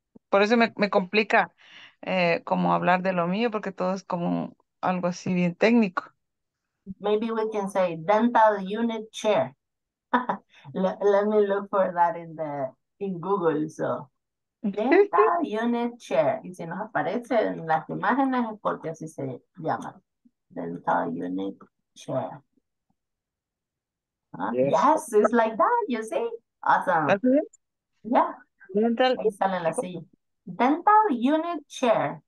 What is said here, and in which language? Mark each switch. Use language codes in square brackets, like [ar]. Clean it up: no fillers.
[es] Por eso me complica como hablar de lo mío, porque todo es como algo así bien técnico. [en] Maybe we can say dental unit chair. Let me look for that in Google, so. Dental unit chair. [es] Y si nos aparece en las imágenes es porque así se llama. Dental unit chair. [en] Yes, it's like that, you see? Awesome. Yeah. Dental. [es] Ahí sale la silla. Dental unit chair.